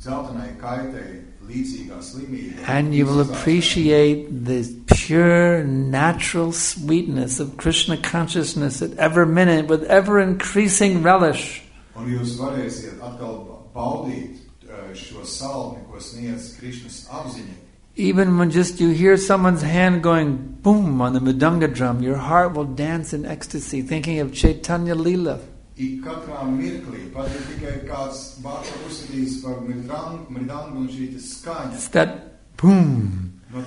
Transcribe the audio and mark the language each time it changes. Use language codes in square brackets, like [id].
[lv] dzeltenai kaitai līdzīgā slimība. [en] And you will appreciate the pure natural sweetness of Krishna consciousness at every minute with ever increasing relish. [lv] Un jūs varēsiet atkal baudīt šo salmi, ko sniedz Krishnas apziņa. [en] Even when just you hear someone's hand going boom on the mridanga drum, your heart will dance in ecstasy, thinking of Chaitanya Lila. It's that boom.